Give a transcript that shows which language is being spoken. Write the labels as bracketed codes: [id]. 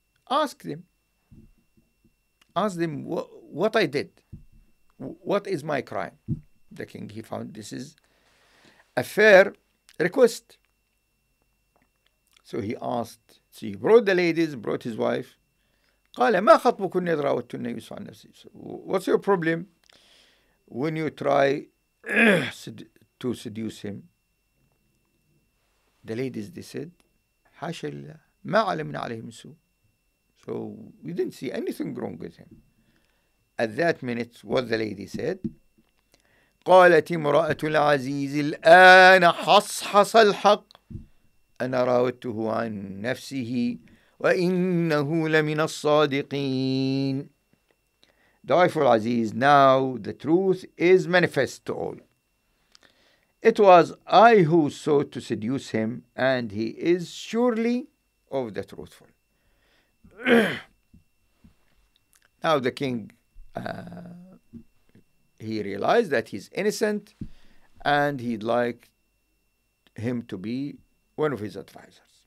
[en] Ask them what I did. What is my crime? The king, he found this is a fair request. So he asked, so he brought the ladies, brought his wife. [ar] قال ما خطبكن إذ راوتن يوسف عن نفسه. [en] What's your problem when you try to seduce him? The ladies, they said, [ar] حاشا لله ما علمنا عليه من سوء. [en] So we didn't see anything wrong with him. At that minute, what the lady said, [ar] قالت امرأة العزيز الآن حصحص الحق أنا راودته عن نفسه وإنه لمن الصادقين. [en] Daiful Aziz, now the truth is manifest to all. It was I who sought to seduce him, and he is surely of the truthful. Now the king, he realized that he's innocent, and he'd like him to be one of his advisors.